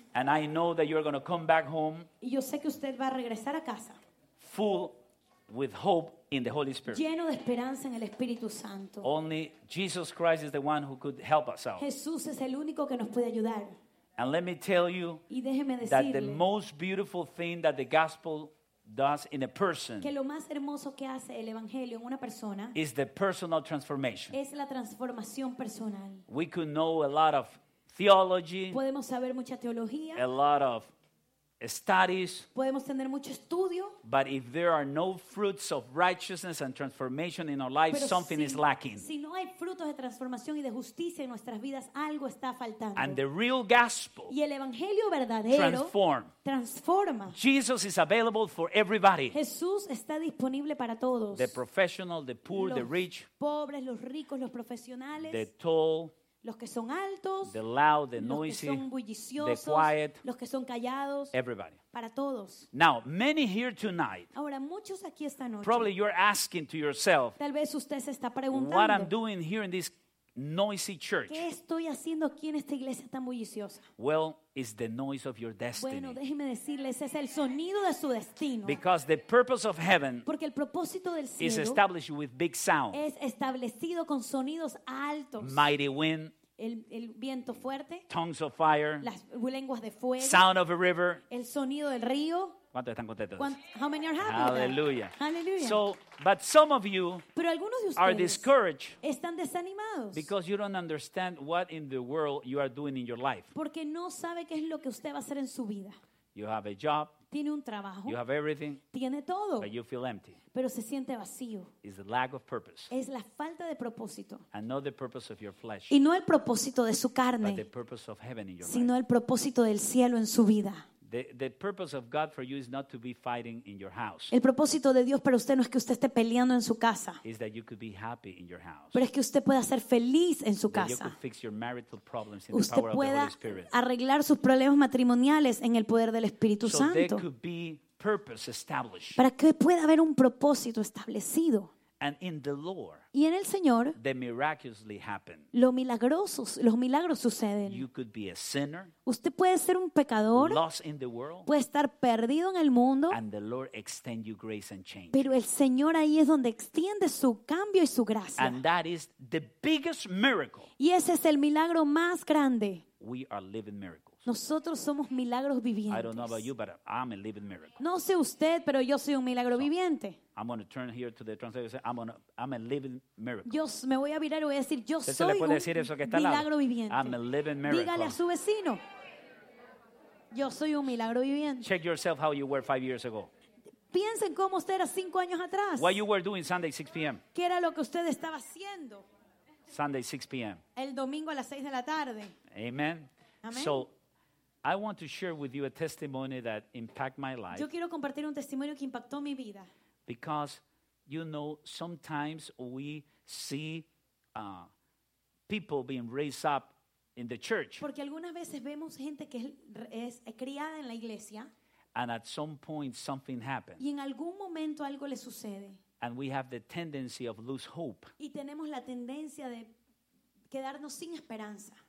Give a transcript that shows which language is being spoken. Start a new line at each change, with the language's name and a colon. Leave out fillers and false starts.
English: And I know that you're going to come back home.
Spanish: Y yo sé que usted va a regresar a casa.
English: Full with hope in the Holy Spirit.
Spanish: Lleno de esperanza en el Espíritu Santo.
English: Only Jesus Christ is the one who could help us out.
Spanish: Jesús es el único que nos puede ayudar.
English: And let me tell you that the most beautiful thing that the gospel does in a person,
Spanish: que lo más hermoso que hace el evangelio en una persona,
English: is the personal transformation.
Spanish: Es la transformación personal.
English: We could know a lot of theology.
Spanish: Podemos saber mucha teología.
English: A lot of studies.
Spanish: Podemos tener mucho estudio.
English: But if there are no fruits of righteousness and transformation in our lives,
Spanish: pero
English: something
Spanish: si,
English: is lacking.
Spanish: Si no hay frutos de transformación y de justicia en nuestras vidas, algo está faltando.
English: And the real gospel,
Spanish: y el evangelio verdadero, transforma.
English: Jesus is available for everybody.
Spanish: Jesús está disponible para todos.
English: The professional, the poor,
Spanish: los
English: the rich,
Spanish: pobres, los ricos, los profesionales,
English: the tall,
Spanish: los que son altos,
English: the loud, the noisy,
Spanish: los que son bulliciosos,
English: the quiet,
Spanish: los que son callados,
English: everybody,
Spanish: para todos.
English: Now, many here tonight,
Spanish: ahora, muchos aquí esta noche,
English: probably you're asking to yourself,
Spanish: tal vez usted se está preguntando,
English: what I'm doing here in this noisy church.
Spanish: ¿Qué estoy haciendo aquí en esta iglesia tan bulliciosa?
English: Well, it's the noise of your destiny.
Spanish: Bueno, déjeme decirles, es el sonido de su destino.
English: Because the purpose of heaven,
Spanish: porque el propósito del cielo,
English: is established with big sound.
Spanish: Es establecido con sonidos altos.
English: Mighty wind,
Spanish: el viento fuerte,
English: tongues of fire,
Spanish: las lenguas de fuego,
English: sound of a river,
Spanish: el sonido del río. ¿Cuántos están contentos?
English: How many are happy? Hallelujah. Hallelujah. So, but some of you,
Spanish: pero algunos de ustedes,
English: are discouraged,
Spanish: están desanimados,
English: because you don't understand what in the world you are doing in your life.
Spanish: Porque no sabe qué es lo que usted va a hacer en su vida.
English: You have a job.
Spanish: Tiene un trabajo.
English: You have everything.
Spanish: Tiene todo.
English: But you feel empty.
Spanish: Pero se siente vacío.
English: It's the lack of purpose.
Spanish: Es la falta de propósito.
English: And not the purpose of your flesh.
Spanish: Y no el propósito de su carne.
English: But the purpose of heaven in your
Spanish: sino
English: life.
Spanish: Sino el propósito del cielo en su vida.
English: The purpose of God for you is not to be fighting in your house.
Spanish: El propósito de Dios para usted no es que usted esté peleando en su casa.
English: Is that you could be happy in your house.
Spanish: Pero es que usted pueda ser feliz en su casa.
English: That you could fix your marital problems in
Spanish: usted
English: the power of the Holy Spirit.
Spanish: Usted pueda arreglar sus problemas matrimoniales en el poder del Espíritu Santo.
English: So there could be purpose established.
Spanish: Para que pueda haber un propósito establecido.
English: And in the Lord,
Spanish: y en el Señor,
English: the miraculously happen.
Spanish: Los milagros suceden.
English: You could be a sinner,
Spanish: usted puede ser un pecador,
English: lost in the world,
Spanish: puede estar perdido en el mundo,
English: and the Lord extend you grace and change.
Spanish: Pero el Señor ahí es donde extiende su cambio y su gracia.
English: And that is the biggest miracle.
Spanish: Y ese es el milagro más grande.
English: We are living miracles.
Spanish: Nosotros somos milagros vivientes.
English: I don't know about you, but I'm a living miracle.
Spanish: No sé usted, pero yo soy un milagro viviente.
English: I'm going to turn here to the translator and say, I'm a living miracle.
Spanish: Yo me voy a virar y voy a decir, yo soy un milagro viviente.
English: I'm a living miracle.
Spanish: Dígale a su vecino, yo soy un milagro viviente.
English: Check yourself how you were 5 years ago.
Spanish: Piensen cómo usted era 5 años atrás.
English: What you were doing Sunday 6 p.m.
Spanish: ¿Qué era lo que usted estaba haciendo?
English: Sunday 6 p.m.
Spanish: El domingo a las 6 de la tarde. Amen. Amen.
English: So, I want to share with you a testimony that impacted my life.
Spanish: Yo quiero compartir un testimonio que impactó mi vida.
English: Because, you know, sometimes we see people being raised up in the church.
Spanish: Porque algunas veces vemos gente que es criada en la iglesia.
English: And at some point something happens.
Spanish: Y en algún momento algo le sucede.
English: And we have the tendency of lose hope.
Spanish: Y tenemos la tendencia de quedarnos sin esperanza.